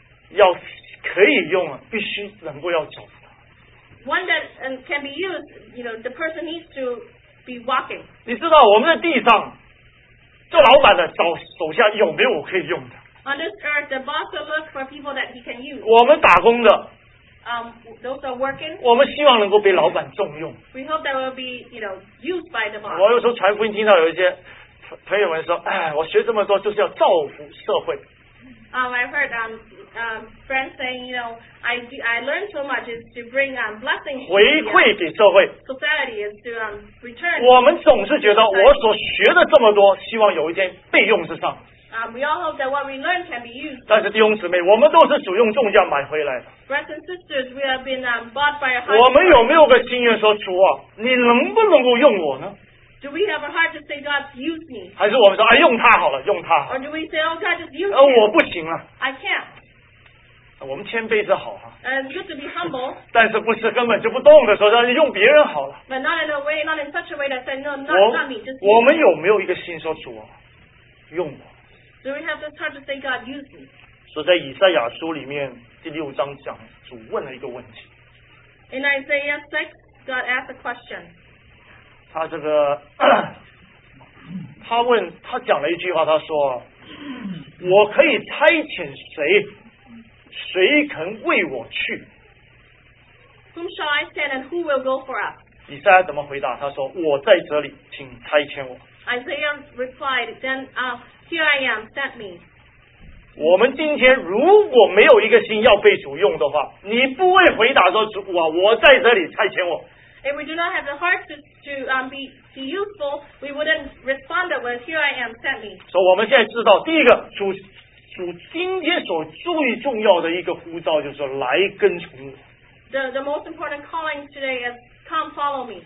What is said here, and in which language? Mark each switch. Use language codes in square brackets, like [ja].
[zh] 要可以用啊，必须能够要走。 [en] One that can be used, you know, the person needs to. Be walking. [zh] 你知道我们在地上做老板的找手下有没有我可以用的 [en] On this earth, the boss will look for people that he can use. [zh] 我们打工的 [en] those are working. [zh] 我们希望能够被老板重用 [en] We hope that will be, you know, used by the boss. [zh] 我有时候传福音听到有一些朋友们说我学这么多就是要造福社会 [en] I've heard friends saying, you know, I learned so much is to bring blessings to [zh] society. 回馈给社会。 [en] Society is to return. [zh] 我们总是觉得我所学的这么多，希望有一天被用得上。 [en] We all hope that what we learn can be used. [zh] 但是弟兄姊妹, 我们都是主用重价买回来的。 [en] Brothers and sisters, we have been bought by a heart. [zh] 我们有没有个心愿说, 主啊, 你能不能够用我呢? [en] Do we have a heart to say, God, use me? [zh] 还是我们说, 哎, 用他好了, 用他好。 [en] Or do we say, oh, God, just use [zh] me? 我不行了。 [en] I can't. [zh] 我们谦卑是好啊, [en] good to be humble, [zh] 但是不是根本就不动的时候让你用别人好了, [en] but not in a way, not in such a way that said, no, not, [zh] 我, [en] not me, just [zh] 我们有没有一个心说主啊, 用我。 [en] Do we have this heart to say, God, use me? [zh] 所以在以赛亚书里面, 第6章讲, 主问了一个问题。 [en] In Isaiah 6, God asked a question. [zh] 他这个, 他问, 他讲了一句话, 他说, 我可以差遣谁? 谁肯为我去? [en] Whom shall I send and who will go for us? [zh] 以赛亚怎么回答? 他说, 我在这里, 请差遣我。 [en] Isaiah replied, then, here I am, send me. [zh] 我们今天如果没有一个心要被主用的话, 你不会回答说, 我在这里, 差遣我。 [en] If we do not have the heart to be useful, we wouldn't respond that word, here I am, send me. [zh] 所以我们现在知道, 第一个, 主, 主今天所最重要的一个呼召就是来跟从我。 [en] The most important calling today is come follow me.